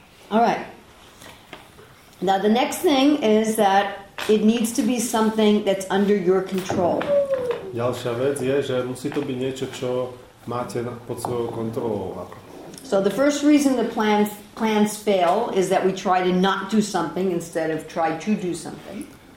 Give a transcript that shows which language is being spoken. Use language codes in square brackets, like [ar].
[en] All right. Now the next thing is that it needs to be something that's under your control. [sk] Ďalšia vec je, že musí to byť niečo, čo máte pod svojou kontrolou. [en] So the first reason the plans fail is that we try to not do something instead of try to do something.